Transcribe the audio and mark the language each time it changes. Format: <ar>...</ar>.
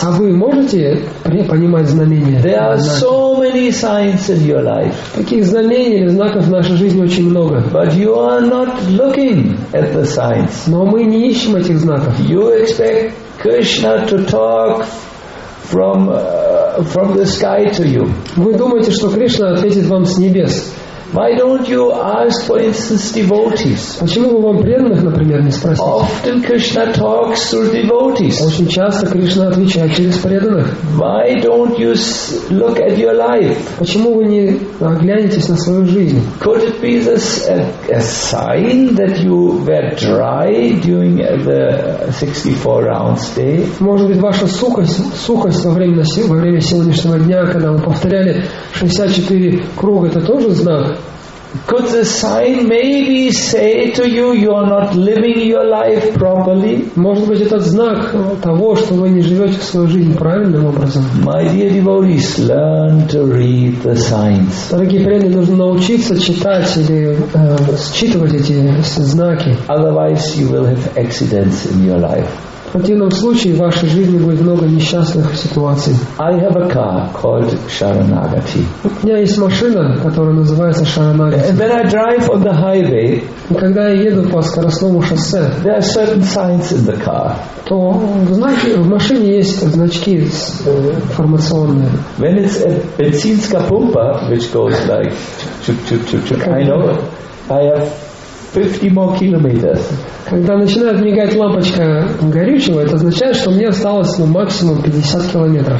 <ru>А вы можете понимать знамения?</ru> <en>There are so many signs in your life.</en> <ru>Таких знамений или знаков в нашей жизни очень много.</ru> <en>But you are not looking at the signs.</en> <ru>Но мы не ищем этих знаков.</ru> <en>You expect Krishna to talk from the sky to you?</en> <ru>Вы думаете, что Кришна ответит вам с небес?</ru> <en>Why don't you ask, for instance, devotees?</en> <ru>Почему бы вам преданных, например, не спросить?</ru> <en>Often Krishna talks through devotees.</en> <ru>Очень часто Кришна отвечает через преданных.</ru> <en>Why don't you look at your life?</en> <ru>Почему вы не оглянетесь на свою жизнь?</ru> <en>Could it be a sign that you were dry during the 64 rounds day?</en> <ru>Может быть, ваша сухость во время сегодняшнего дня, когда вы повторяли 64 круга, это тоже знак?</ru> <en>Could the sign maybe say to you, you are not living your life properly?</en> <ru>Может быть, этот знак того, что вы не живете свою жизнь правильным образом?</ru> <en>My dear devotees, learn to read the signs.</en> <ru>Дорогие преданные, нужно научиться читать или считывать эти знаки.</ru> <en>Otherwise, you will have accidents in your life.</en> <ru>В противном случае в вашей жизни будет много несчастных ситуаций.</ru> <en>I have a car called Sharanagati.</en> <ru>У меня есть машина, которая называется Шаранагати.</ru> <en>And when I drive on the highway,</en> <ru>и когда я еду по скоростному шоссе,</ru> <en>there are certain signs in the car.</en> <ru>То знаки в машине есть значки информационные.</ru> <en>When it's a</en> <ru>бензинская</ru> <en>pumpa, which goes like chuk-chuk-chuk-chuk, I know I have 50 more kilometers.</en> <ru>Когда начинает мигать лампочка горючего, это означает, что мне осталось максимум 50 километров.</ru>